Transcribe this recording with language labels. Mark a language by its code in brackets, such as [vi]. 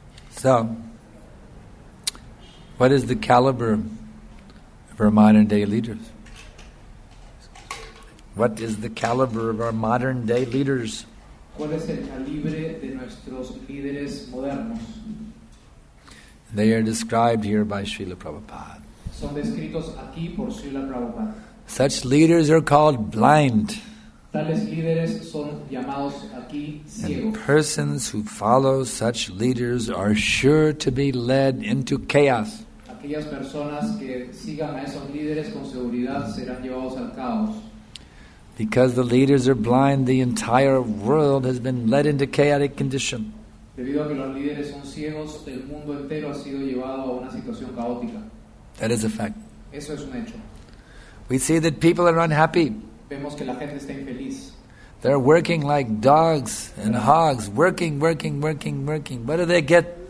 [en] So, what is the caliber of our modern day leaders? What is the caliber of our modern day leaders? [es] ¿Cuál es el calibre de nuestros líderes modernos? [en] They are described here by Srila Prabhupada. [es] Son descritos aquí por Srila Prabhupada. [en] Such leaders are called blind. [es] Tales líderes son llamados aquí ciegos. [en] And persons who follow such leaders are sure to be led into chaos. [es] Aquellos aquellas personas que sigan a esos líderes con seguridad serán llevados al caos. [en] Because the leaders are blind, the entire world has been led into chaotic condition. [es] Debido a que los líderes son ciegos, el mundo entero ha sido llevado a una situación caótica. [en] That is a fact. [es] Eso es un hecho. [en] We see that people are unhappy. [es] Vemos que la gente está infeliz. [en] They're working like dogs and hogs, working. What do they get?